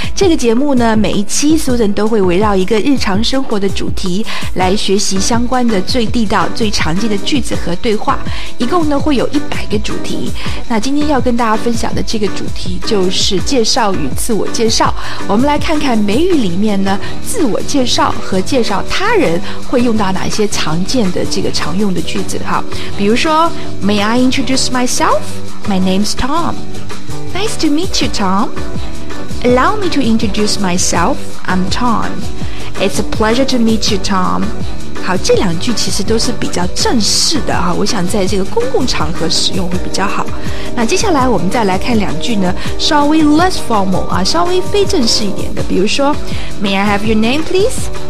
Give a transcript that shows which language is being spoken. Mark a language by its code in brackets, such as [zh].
[zh] 这个节目呢，每一期 Susan 都会围绕一个日常生活的主题来学习相关的最地道、最常见的句子和对话，一共呢会有100个主题。那今天要跟大家分享的这个主题就是介绍与自我介绍。我们来看看美语里面呢，自我介绍和介绍他人会用到哪些常见的这个常用的句子哈。比如说 [en] May I introduce myself? My name's Tom. Nice to meet you, Tom. Allow me to introduce myself. I'm Tom. It's a pleasure to meet you, Tom. [zh] 好，这两句其实都是比较正式的哈，我想在这个公共场合使用会比较好。那接下来我们再来看两句呢，稍微 [en] less formal [zh] 啊，稍微非正式一点的。比如说 [en] May I have your name, please?